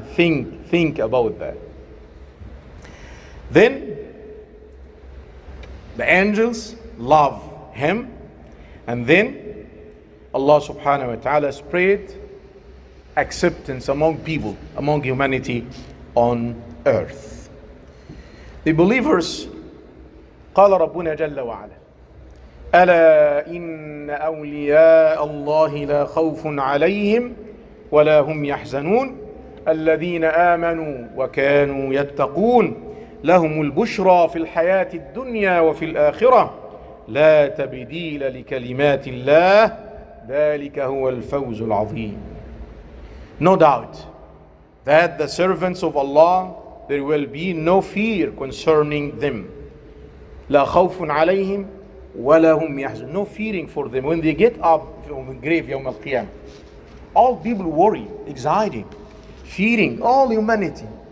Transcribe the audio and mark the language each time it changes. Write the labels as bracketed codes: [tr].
[en] Think about that. Then the angels love him. And then Allah Subhanahu wa Ta'ala spread acceptance among people, among humanity on earth. The believers, [ar] قال ربنا جل وعلا ألا إن أولياء الله لا خوف عليهم ولا هم يحزنون الذين آمنوا وكانوا يتقون لهم البشرى في الحياة الدنيا وفي الآخرة لا تبديل لكلمات الله ذلك هو الفوز العظيم. [en] No doubt that the servants of Allah, there will be no fear concerning them. [ar] لا خوف عليهم ولا هم يحزن. [en] No fearing for them. When they get up from the grave, [ar] يوم القيامة, [en] all people worry, anxiety, fearing, all humanity.